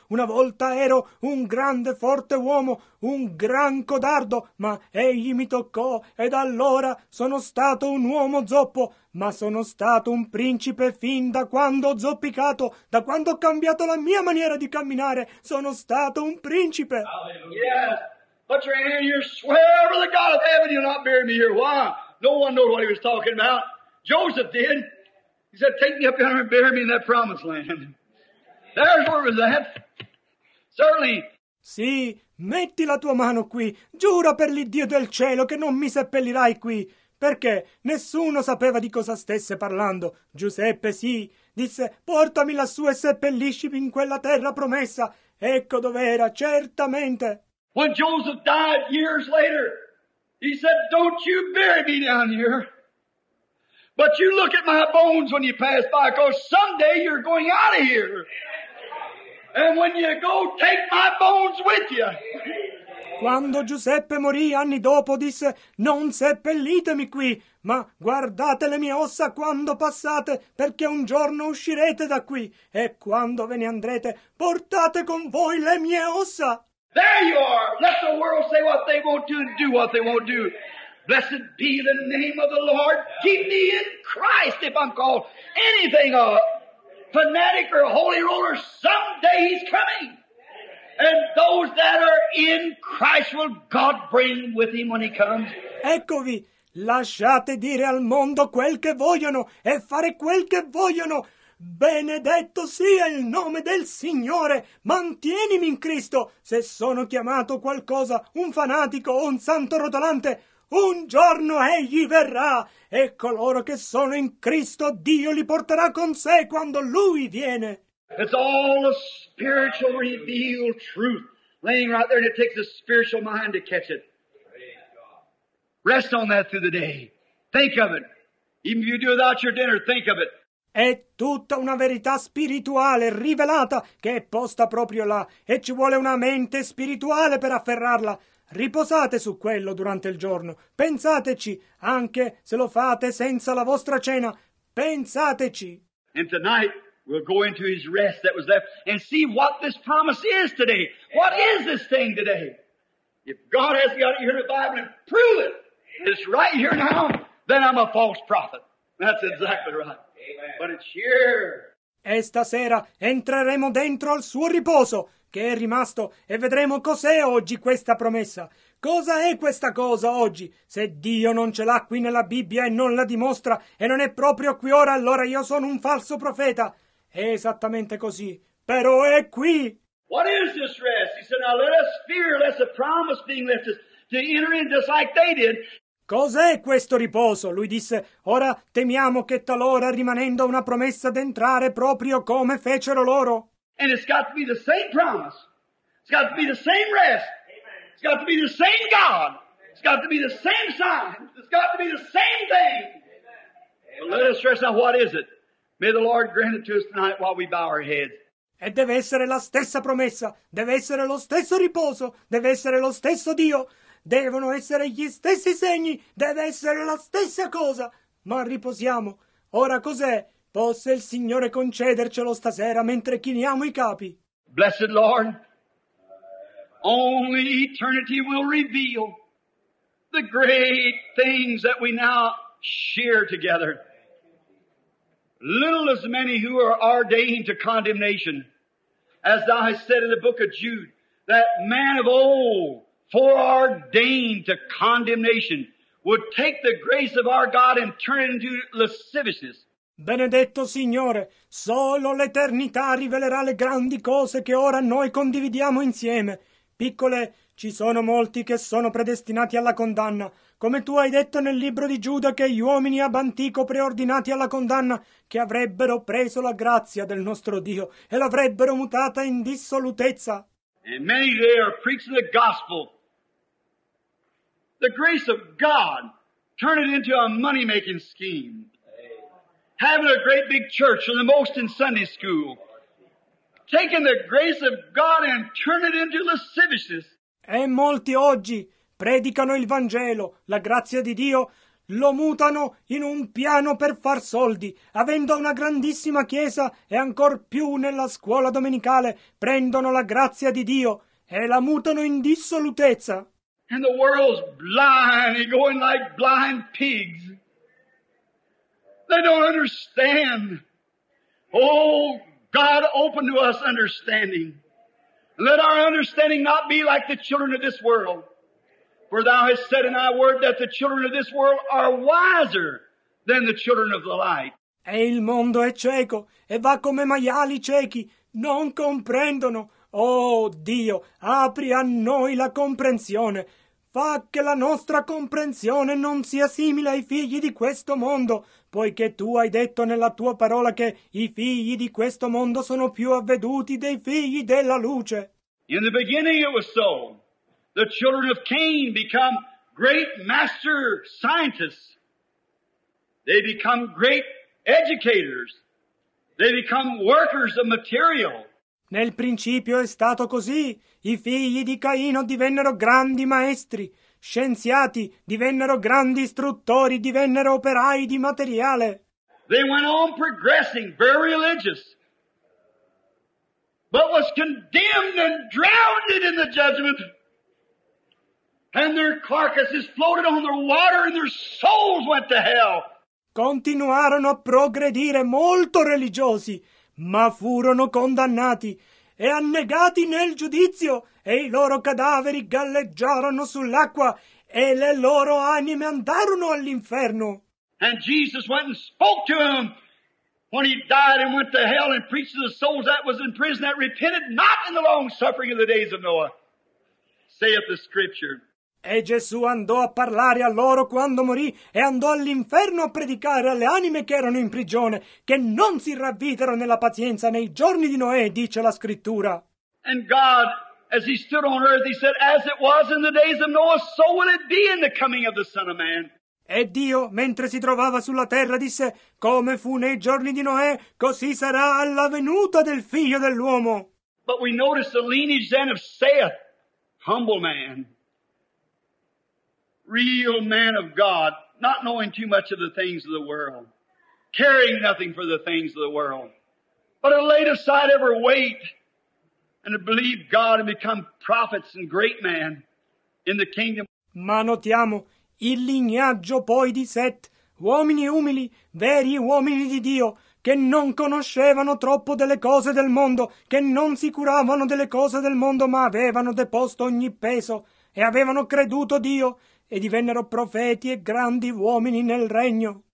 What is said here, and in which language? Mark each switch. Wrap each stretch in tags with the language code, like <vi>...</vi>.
<it>Una volta ero un grande, forte uomo, un gran codardo, ma egli mi toccò, ed allora sono stato un uomo zoppo, ma sono stato un principe fin da quando ho zoppicato, da quando ho cambiato la mia maniera di camminare, sono stato un principe.</it> <en>Hallelujah. Yeah. Put your hand, you swear to the God of heaven, you'll not bury me here. Why? No one knows what he was talking about. Joseph did. He said, take me up yonder and bury me in that promised land. There's where it was at. Certainly.</en> <it>Sì, metti la tua mano qui. Giura per l'Iddio del cielo che non mi seppellirai qui. Perché nessuno sapeva di cosa stesse parlando. Giuseppe, sì, disse, portami lassù e seppelliscimi in quella terra promessa. Ecco dov'era, certamente.</it> <en>When Joseph died years later, he said, don't you bury me down here. But you look at my bones when you pass by, because someday you're going out of here. And when you go, take my bones with you.</en> <it>Quando Giuseppe morì anni dopo, disse, non seppellitemi qui, ma guardate le mie ossa quando passate, perché un giorno uscirete da qui, e quando ve ne andrete, portate con voi le mie ossa.</it> <en>There you are. Let the world say what they want to and do what they won't do. Blessed be the name of the Lord. Keep me in Christ if I'm called anything a fanatic or a holy roller. Someday he's coming. And those that are in Christ will God bring with him when he comes.</en> <it>Eccovi. Lasciate dire al mondo quel che vogliono e fare quel che vogliono. Benedetto sia il nome del Signore! Mantienimi in Cristo! Se sono chiamato qualcosa, un fanatico o un santo rotolante, un giorno egli verrà! E coloro che sono in Cristo, Dio li porterà con sé quando lui viene!</it> <en>It's all a spiritual revealed truth laying right there, and it takes a spiritual mind to catch it. Rest on that through the day. Think of it. Even if you do without your dinner, think of it.</en> <it>È tutta una verità spirituale rivelata che è posta proprio là, e ci vuole una mente spirituale per afferrarla. Riposate su quello durante il giorno. Pensateci, anche se lo fate senza la vostra cena. Pensateci.</it> <en>And tonight we'll go into his rest that was left and see what this promise is today. What is this thing today? If God has got it here in the Bible and prove it, it's right here now, then I'm a false prophet. That's exactly right. But it's here.</en> <it>E stasera entreremo dentro al suo riposo, che è rimasto, e vedremo cos'è oggi questa promessa. Cosa è questa cosa oggi? Se Dio non ce l'ha qui nella Bibbia e non la dimostra, e non è proprio qui ora, allora io sono un falso profeta. È esattamente così. Però è qui.</it> <en>What is this rest? He said, now let us fear lest the promise being left us to enter in just like they did.</en> <it>Cos'è questo riposo? Lui disse, ora temiamo che talora rimanendo una promessa d'entrare proprio come fecero loro.</it> <en>And it's got to be the same promise. It's got to be the same rest. It's got to be the same God. It's got to be the same sign. It's got to be the same thing. But let us rest. Now what is it? May the Lord grant it to us tonight while we bow our heads.</en> <it>E deve essere la stessa promessa, deve essere lo stesso riposo, deve essere lo stesso Dio, devono essere gli stessi segni, deve essere la stessa cosa. Ma riposiamo. Ora cos'è? Possa il Signore concedercelo stasera mentre chiniamo i capi.</it> <en>Blessed Lord, only eternity will reveal the great things that we now share together. Little as many who are ordained to condemnation, as thou hast said in the book of Jude, that man of old, foreordained to condemnation, would take the grace of our God and turn it into lasciviousness.</en> <it>Benedetto Signore, solo l'eternità rivelerà le grandi cose che ora noi condividiamo insieme. Piccole, ci sono molti che sono predestinati alla condanna, come tu hai detto nel libro di Giuda, che gli uomini ab antico preordinati alla condanna, che avrebbero preso la grazia del nostro Dio e l'avrebbero mutata in dissolutezza.</it> <en>And many there are preaching the gospel, the grace of God, turn it into a money-making scheme. Having a great big church and the most in Sunday school. Taking the grace of God and turn it into lasciviousness.</en> <it>E molti oggi predicano il Vangelo, la grazia di Dio, lo mutano in un piano per far soldi, avendo una grandissima chiesa e ancor più nella scuola domenicale, prendono la grazia di Dio e la mutano in dissolutezza.</it> <en>And the world's blind, going like blind pigs. They don't understand. Oh, God, open to us understanding. Let our understanding not be like the children of this world. For thou hast said in thy word that the children of this world are wiser than the children of the light.</en> <it>E il mondo è cieco, e va come maiali ciechi, non comprendono. Oh Dio, apri a noi la comprensione. Fa che la nostra comprensione non sia simile ai figli di questo mondo, poiché tu hai detto nella tua parola che i figli di questo mondo sono più avveduti dei figli della luce.</it> <en>In the beginning it was so. The children of Cain become great master scientists. They become great educators. They become workers of material.</en> <it>Nel principio è stato così. I figli di Caino divennero grandi maestri, scienziati, divennero grandi istruttori, divennero operai di materiale.</it> <en>They went on progressing, very religious. But was condemned and drowned in the judgment. And their carcasses floated on the water and their souls went to hell.</en> <it>Continuarono a progredire molto religiosi, ma furono condannati e annegati nel giudizio, e i loro cadaveri galleggiarono sull'acqua e le loro anime andarono all'inferno.</it> <en>And Jesus went and spoke to them when he died and went to hell and preached to the souls that was in prison that repented not in the long suffering of the days of Noah, saith the scripture.</en> <it>E Gesù andò a parlare a loro quando morì e andò all'inferno a predicare alle anime che erano in prigione che non si ravvitero nella pazienza nei giorni di Noè, dice la scrittura.</it> <en>And God, as he stood on earth, he said, as it was in the days of Noah, so will it be in the coming of the Son of Man.</en> <it>E Dio, mentre si trovava sulla terra, disse, come fu nei giorni di Noè, così sarà alla venuta del figlio dell'uomo.</it> <en>But we notice the lineage then of Seth, humble man, real man of God, not knowing too much of the things of the world, caring nothing for the things of the world, but had laid aside every weight and to believe God and become prophets and great man in the kingdom.</en> <it>Ma notiamo il lignaggio poi di Set, uomini umili, veri uomini di Dio, che non conoscevano troppo delle cose del mondo, che non si curavano delle cose del mondo, ma avevano deposto ogni peso e avevano creduto Dio e divennero profeti e grandi uomini nel regno.</it>